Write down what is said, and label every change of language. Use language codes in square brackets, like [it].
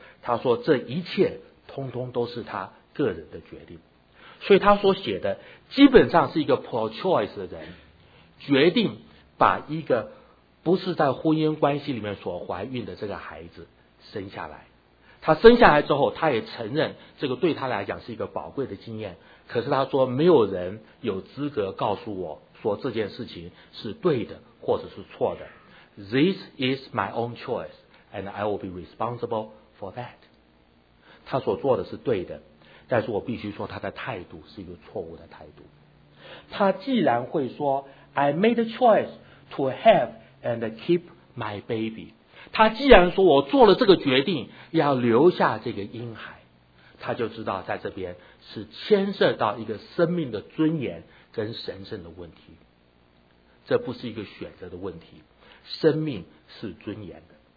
[zh] 他说这一切通通都是他个人的决定，所以他所写的基本上是一个 pro-choice 的人，决定把一个不是在婚姻关系里面所怀孕的这个孩子生下来。他生下来之后他也承认这个对他来讲是一个宝贵的经验，可是他说没有人有资格告诉我说这件事情是对的或者是错的。 [en] This is my own choice and I will be responsible for that. [zh] 他所做的是对的，但是我必须说他的态度是一个错误的态度。他既然会说 [en] I made a choice to have and keep my baby， [zh] 他既然说我做了这个决定要留下这个婴孩，他就知道在这边是牵涉到一个生命的尊严跟神圣的问题，这不是一个选择的问题，生命是尊严的。